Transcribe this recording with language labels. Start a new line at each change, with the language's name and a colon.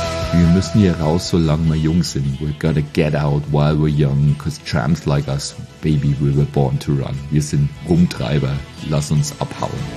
German: Wir müssen hier raus, solange wir jung sind.
English: We gotta get out while we're young, cause tramps like us, baby, we were born to run.
German: Wir sind Rumtreiber, lass uns abhauen.